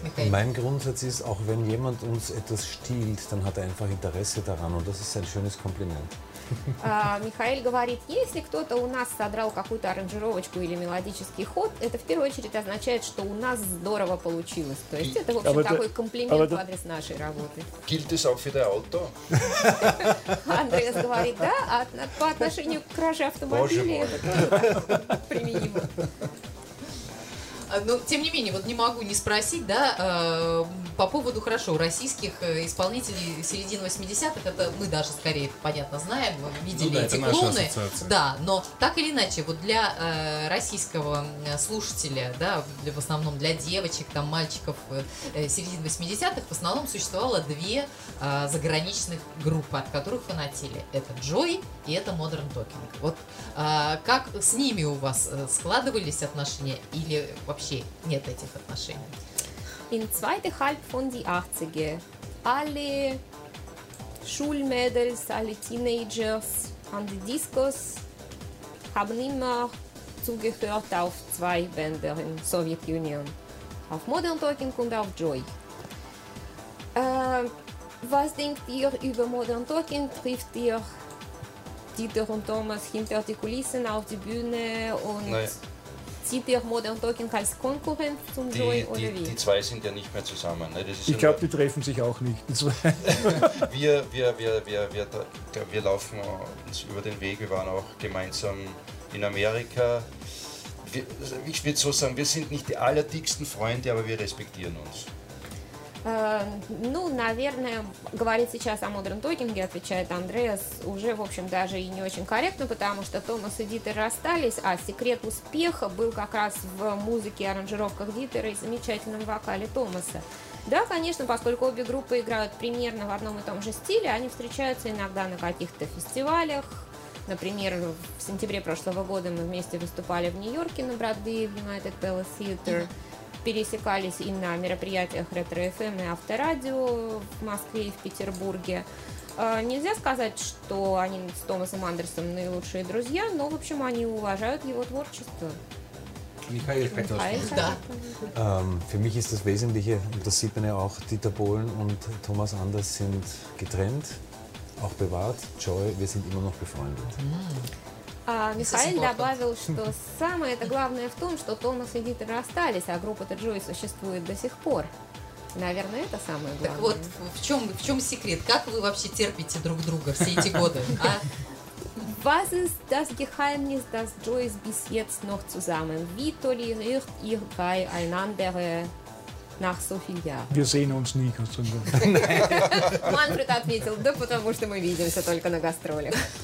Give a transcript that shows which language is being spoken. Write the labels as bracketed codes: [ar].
[de] Mein Grundsatz ist, auch wenn jemand uns etwas stiehlt, dann hat er einfach Interesse daran und das ist ein schönes Kompliment. [ru] Michael говорит, если кто-то у нас содрал какую-то аранжировочку или мелодический ход, это в первую очередь означает, что у нас здорово получилось. То есть это, в общем, такой комплимент в адрес нашей работы. [de] Gilt es auch für dein Auto? [ru] Андреас говорит, да, а по отношению к краже автомобиля это применимо. Но, тем не менее, вот не могу не спросить, да, по поводу, хорошо, российских исполнителей середины 80-х, это мы даже скорее, понятно, знаем, видели, ну, да, эти клоны. Да, но так или иначе, вот для российского слушателя, да, в основном для девочек, там, мальчиков середины 80-х, в основном существовало две заграничных группы, от которых фанатели. Это Joy и это Modern Talking. Вот как с ними у вас складывались отношения или... [de] In zweiter Halbzeit der 80er, alle Schulmädels, alle Teenagers an den Discos haben immer zugehört auf zwei Bänder in der Sowjetunion, auf Modern Talking und auf Joy. Was denkt ihr über Modern Talking? Trifft ihr Dieter und Thomas hinter die Kulissen auf die Bühne? Und sieht ihr Modern Talking als Konkurrent zum Joy oder wie? Die zwei sind ja nicht mehr zusammen. Ne? Das ist ich glaube, die treffen sich auch nicht. wir laufen uns über den Weg. Wir waren auch gemeinsam in Amerika. Ich würde so sagen, wir sind nicht die allerdicksten Freunde, aber wir respektieren uns. [ru] Ну, наверное, говорить сейчас о Modern Talking, отвечает Андреас, уже, в общем, даже и не очень корректно, потому что Томас и Дитер расстались, а секрет успеха был как раз в музыке и аранжировках Дитера и замечательном вокале Томаса. Да, конечно, поскольку обе группы играют примерно в одном и том же стиле, они встречаются иногда на каких-то фестивалях. Например, в сентябре прошлого года мы вместе выступали в Нью-Йорке на Broadway в United Palace Theater. Пересекались и на мероприятиях Retro-FM и Авторадио в Москве и в Петербурге. Нельзя сказать, что они с Томасом Андерсом наилучшие друзья, но, в общем, они уважают его творчество. Михаил хотел сказать. [de] Für mich ist das Wesentliche, und das sieht man ja auch, Dieter Bohlen und Thomas Anders sind getrennt, auch bewahrt. Joy, wir sind immer noch befreundet. [ru] Михаил добавил, что самое это главное в том, что Томас и Дитер расстались, а группа Joy существует до сих пор. Наверное, это самое главное. Так вот, в чем секрет? Как вы вообще терпите друг друга все эти годы? [de] Was ist das Geheimnis, dass Joy bis jetzt noch zusammen? Wie toleriert ihr beieinander nach so vielen Jahren? Wir sehen uns nie, kannst du sagen. [ru] Manfred ответил, да потому что мы видимся только на гастролях.